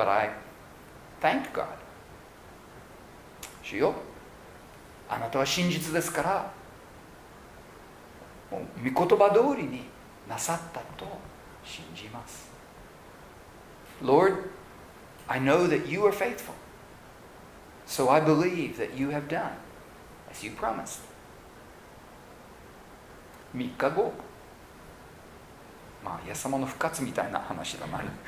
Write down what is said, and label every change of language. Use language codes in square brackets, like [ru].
[en] But I thanked God. [ja] 主よ、あなたは真実ですから、もう御言葉通りになさったと信じます。 [en] Lord, I know that you are faithful. So I believe that you have done as you promised. [ja] 3日後、まあ、イエス様の復活みたいな話だな。